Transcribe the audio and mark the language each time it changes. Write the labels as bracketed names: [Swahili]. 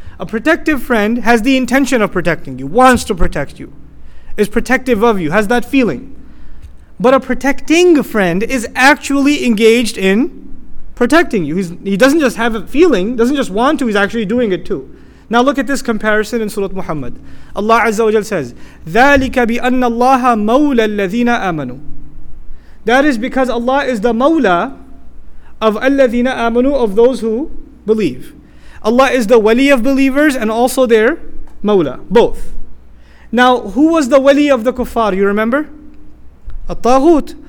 [English] A protective friend has the intention of protecting you, wants to protect you, is protective of you, has that feeling. But a protecting friend is actually engaged in protecting you. He doesn't just have a feeling, doesn't just want to, he's actually doing it too. Now look at this comparison in Surah Muhammad. Allah Azza wa Jalla says, [Arabic] ذَلِكَ بِأَنَّ اللَّهَ مَوْلَى الَّذِينَ آمَنُوا. [English] That is because Allah is the mawla of [Arabic] الَّذِينَ آمَنُوا, [English] of those who believe. Allah is the wali of believers and also their mawla, both. Now, who was the wali of the kuffar, you remember? At-Taghut.